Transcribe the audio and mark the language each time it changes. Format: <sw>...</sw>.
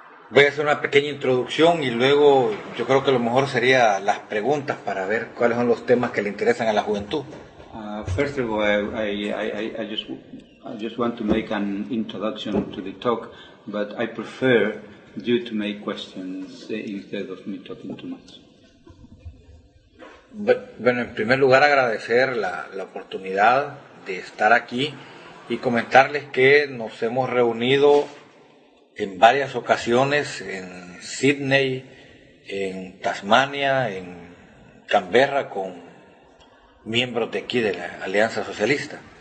<es>Voy a hacer una pequeña introducción y luego yo creo que lo mejor sería las preguntas para ver cuáles son los temas que le interesan a la juventud.</es> <en>First of all, I just want to make an introduction to the talk, but I prefer you to make questions instead of me talking too much.</en> <es>Bueno, en primer lugar agradecer la oportunidad de estar aquí y comentarles que nos hemos reunido en varias ocasiones en Sydney, en Tasmania, en Canberra con miembros de aquí de la Alianza Socialista.</es>